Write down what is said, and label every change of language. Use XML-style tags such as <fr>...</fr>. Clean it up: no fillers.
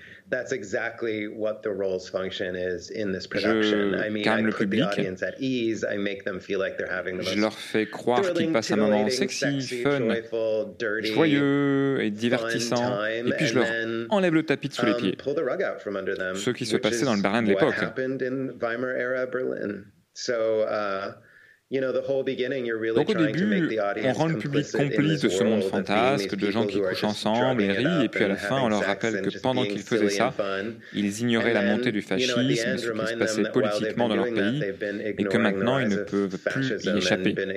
<en>That's exactly what the role's function is in this production. I put the audience at ease. I make them feel like they're having the most.</en> <fr>Je leur fais croire qu'ils passent un moment sexy, fun,</fr> <en>joyful, dirty,</en> <fr>joyeux et divertissant. Et puis je leur enlève le tapis de sous les pieds.</fr> <en>Pull the rug out from under them,</en> <fr>ce qui se passait dans le Berlin de l'époque.</fr> <en>What happened in Weimar era Berlin. So, you know, the whole beginning, you're really</en> <fr>donc au début, on rend le public complice de ce monde fantasque, de gens qui couchent ensemble et rient, et puis à la fin, on leur rappelle que pendant qu'ils faisaient ça, ils ignoraient la montée du fascisme, ce qui se passait politiquement dans leur pays, et que maintenant, ils ne peuvent plus y échapper.</fr>